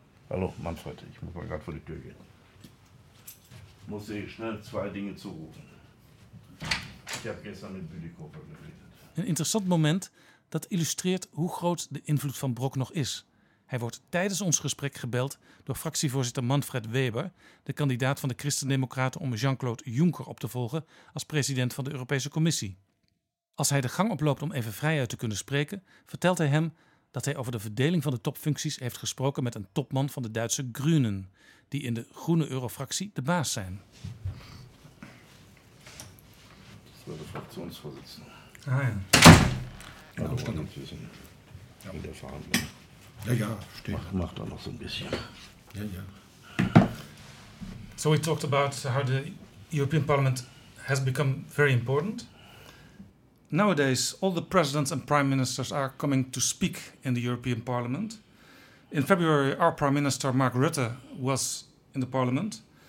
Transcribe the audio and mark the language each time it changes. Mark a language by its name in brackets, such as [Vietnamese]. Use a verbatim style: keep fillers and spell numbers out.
[German] Hallo, Manfred, ich muss mal gerade vor die Tür gehen. Ich muss dir schnell zwei Dinge zurufen. [Dutch] Ik heb gisteren met Budikoper geredet. Een interessant moment dat illustreert hoe groot de invloed van Brok nog is. Hij wordt tijdens ons gesprek gebeld door fractievoorzitter Manfred Weber, de kandidaat van de Christen-Democraten om Jean-Claude Juncker op te volgen als president van de Europese Commissie. Als hij de gang oploopt om even vrijuit te kunnen spreken, vertelt hij hem dat hij over de verdeling van de topfuncties heeft gesproken met een topman van de Duitse Groenen, die in de groene eurofractie de baas zijn. Voor de fractionsvoorzitter. Ah ja. Ja, dat staat natuurlijk in de verhandeling. [German] Ja, ja, steht. Mach, mach da noch so ein bisschen. Ja, ja. [English] So we talked about how the European Parliament has become very important. Nowadays, all the presidents and prime ministers are coming to speak in the European Parliament. In February, our Prime Minister Mark Rutte was in the Parliament.